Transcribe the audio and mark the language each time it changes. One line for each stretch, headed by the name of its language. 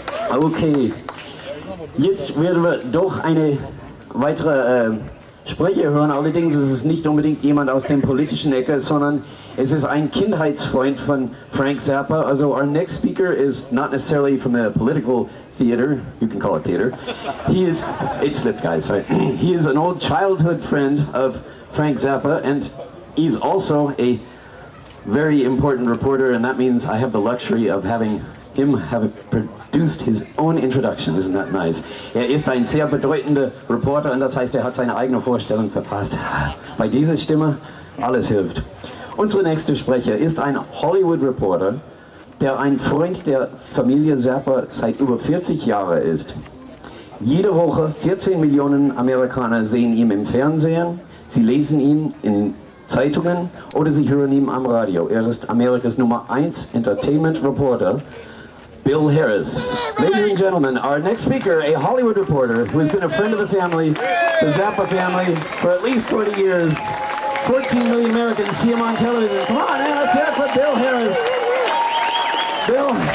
German: Okay, jetzt werden wir doch eine weitere Spreche hören. Allerdings ist es nicht unbedingt jemand aus dem politischen Ecke, sondern es ist ein Kindheitsfreund von Frank Zappa.
English: Also our next speaker is not necessarily from the political theater. You can call it theater. It slipped, guys. Right? He is an old childhood friend of Frank Zappa, and he's also a very important reporter, and that means I have the luxury of having him have produced his own introduction. Isn't that nice?
German: Ist ein sehr bedeutender Reporter, und das heißt, hat seine eigene Vorstellung verfasst. Bei dieser Stimme, alles hilft. Unsere nächste Sprecher ist ein Hollywood-Reporter, der ein Freund der Familie Zappa seit über 40 Jahren ist. Jede Woche 14 Millionen Amerikaner sehen ihn im Fernsehen, sie lesen ihn in Zeitungen oder sie hören ihn am Radio. Ist Amerikas Nummer 1 Entertainment Reporter, Bill Harris.
English: Ladies and gentlemen, our next speaker, a Hollywood reporter who has been a friend of the family, the Zappa family, for at least 40 years. 14 million Americans see him on television. Come on, man, let's hear it for Bill Harris. Bill.